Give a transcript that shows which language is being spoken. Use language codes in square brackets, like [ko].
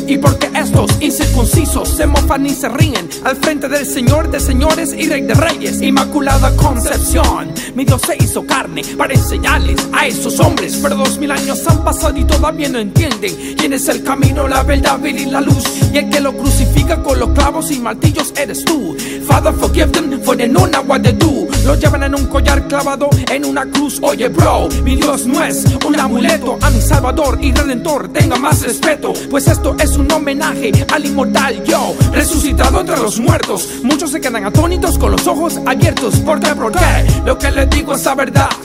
[es] Y porque estos incircuncisos se mofan y se ríen al frente del Señor de señores y Rey de Reyes. Inmaculada Concepción, mi Dios se hizo carne para enseñarles a esos hombres. Pero 2000 años han pasado y todavía no entienden quién es el camino, la verdad y la luz. Y el que lo crucifica con los clavos y martillos eres tú. [en] Father, forgive them, for they know not what they do. [es] Lo llevan en un collar clavado en una cruz. Oye, bro, mi Dios no es un amuleto. A mi Salvador y Redentor tenga más respeto, pues esto es un homenaje al inmortal yo, resucitado entre los muertos. Muchos se quedan atónitos con los ojos abiertos. ¿Por qué? Lo que les digo es la verdad.